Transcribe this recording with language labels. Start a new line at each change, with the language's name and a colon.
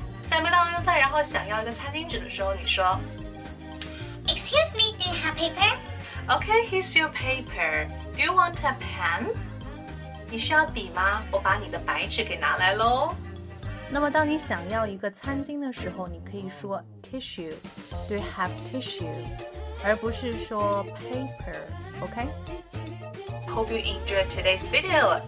Chinese: 在麦当劳用餐然后想要一个餐巾纸的时候你说
English: Excuse me, do you have paper? Okay, here's your paper Do you want a pen?
Chinese: 你需要笔吗我把你的白纸给拿来咯那么当你想要一个餐巾的时候你可以说 tissue
English: Do you have tissue?
Chinese: 而不是说
English: paper, OK? Hope you enjoyed today's video.